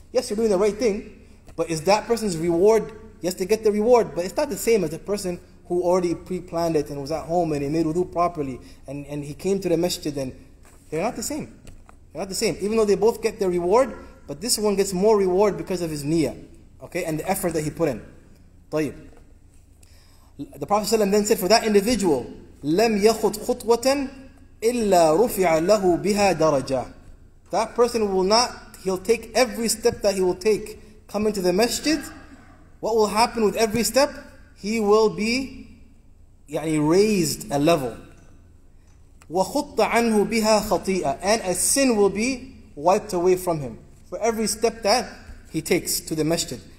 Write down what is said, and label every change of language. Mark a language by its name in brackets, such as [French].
[English] Yes, you're doing the right thing, but is that person's reward? Yes, they get the reward, but it's not the same as the person who already pre-planned it and was at home and he made wudu properly and he came to the masjid, and they're not the same. They're not the same. Even though they both get their reward, but this one gets more reward because of his niyyah, okay, and the effort that he put in. [Arabic] طيب. [English] The Prophet ﷺ then said, for that individual, [Arabic] لَمْ يَخُطْ خُطْوَةً إِلَّا رُفِعَ لَهُ بِهَا دَرَجَةً. [English] That person will not, he'll take every step that he will take coming to the masjid. What will happen with every step? He will be [Arabic] يعني [English] raised a level. [Arabic] وَخُطَّ عَنْهُ بِهَا خَطِيئًا. [English] And a sin will be wiped away from him for every step that he takes to the masjid.